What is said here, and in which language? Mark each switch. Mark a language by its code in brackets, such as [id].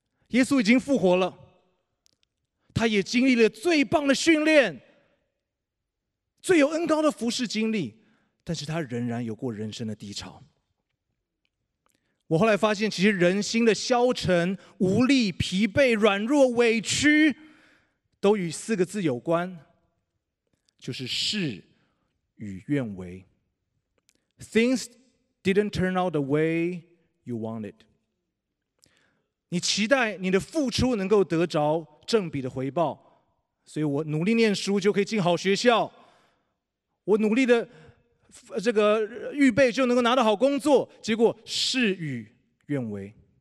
[zh] 耶稣已经复活了，他也经历了最棒的训练，最有恩膏的服事经历，但是他仍然有过人生的低潮。我后来发现，其实人心的消沉、无力、疲惫、软弱、委屈，都与四个字有关，就是事与愿违。 [en] Things didn't turn out the way you wanted。 [zh] 你期待你的付出能够得着正比的回报，所以我努力念书就可以进好学校，我努力的这个预备就能够拿到好工作，结果事与愿违。